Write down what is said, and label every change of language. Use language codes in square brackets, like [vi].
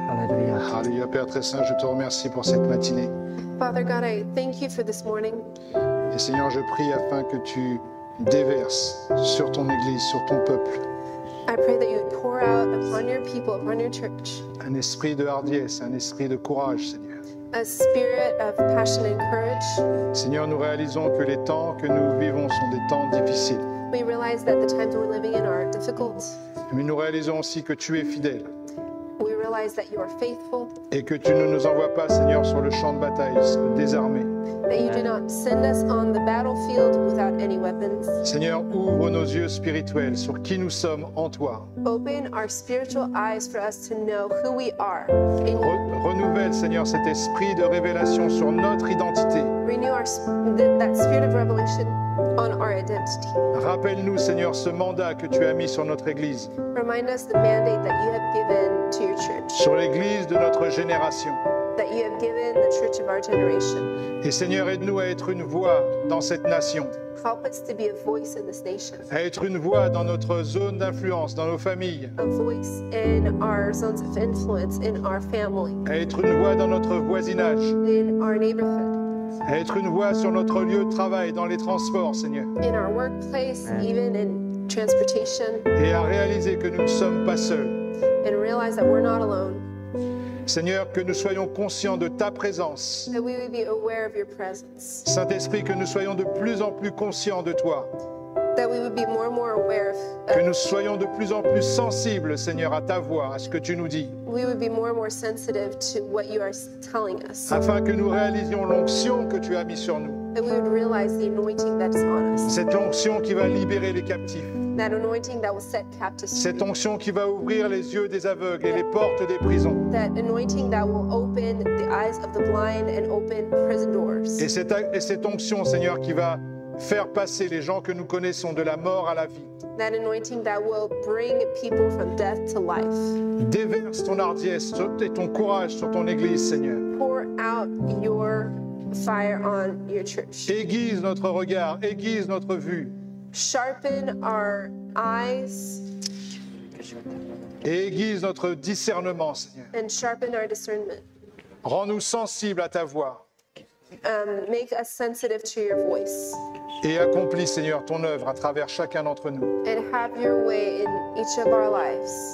[fr] Alléluia, Père très saint, je te remercie pour cette matinée. [en] Father God, I thank you for this morning. [fr] Et Seigneur, je prie afin que tu déverses sur ton Église, sur ton peuple. [en] I pray that you would pour out upon your people, upon your church. [fr] Un esprit de hardiesse, un esprit de courage, Seigneur. [en] A spirit of passion and courage. [fr] Seigneur, nous réalisons que les temps que nous vivons sont des temps difficiles. [en] We realize that the times we're living in are difficult. [fr] Mais nous réalisons aussi que tu es fidèle. [en] We realize that you are faithful. [fr] Et que tu ne nous envoies pas, Seigneur, sur le champ de bataille désarmé. [en] That you do not send us on the battlefield without any weapons. [fr] Seigneur, ouvre nos yeux spirituels sur qui nous sommes en toi. [en] Open our spiritual eyes for us to know who we are. [fr] Renouvelle, Seigneur, cet esprit de révélation sur notre identité. [en] Renew our that spirit of revelation on our identity. [fr] Rappelle-nous, Seigneur, ce mandat que tu as mis sur notre Église. [en] Remind us the mandate that you have given to your church. [fr] Sur l'Église de notre génération. [en] That you have given the church of our generation. [fr] Et Seigneur, aide-nous à être une voix dans cette nation. [en] Help us to be a voice in this nation. [fr] À être une voix dans notre zone d'influence, dans nos familles. [en] A voice in our zones of influence, in our family. [fr] À être une voix dans notre voisinage. [en] In our neighborhood. [fr] À être une voix sur notre lieu de travail, dans les transports, Seigneur. [en] In our workplace, even in transportation. [fr] Et à réaliser que nous ne sommes pas seuls. [en] And realize that we're not alone. [fr] Seigneur, que nous soyons conscients de ta présence. [en] That we would be aware of your presence. [fr] Saint-Esprit, que nous soyons de plus en plus conscients de toi. [en] That we would be more and more aware of. [fr] Que nous soyons de plus en plus sensibles, Seigneur, à ta voix, à ce que tu nous dis. [en] We would be more and more sensitive to what you are telling us. [fr] Afin que nous réalisions l'onction que tu as mis sur nous. [en] That we would realize the anointing that is on us. [fr] Cette onction qui va libérer les captifs. [en] That anointing that will set captives free. [fr] Cette onction qui va ouvrir les yeux des aveugles et les portes des prisons. [en] That anointing that will open the eyes of the blind and open prison doors. [fr] Et cette onction, Seigneur, qui va faire passer les gens que nous connaissons de la mort à la vie. [en] That anointing that will bring people from death to life. [fr] Déverse ton hardiesse et ton courage sur ton Église, Seigneur. [en] Pour out your fire on your church. [fr] Aiguise notre regard, aiguise notre vue. [en] Sharpen our eyes. [fr] Et aiguise notre discernement, Seigneur. [en] And sharpen our discernment. [fr] Rends-nous sensibles à ta voix. [en] Make us sensitive to your voice. [fr] Et accomplis, Seigneur, ton œuvre à travers chacun d'entre nous. [en] And have your way in each of our lives.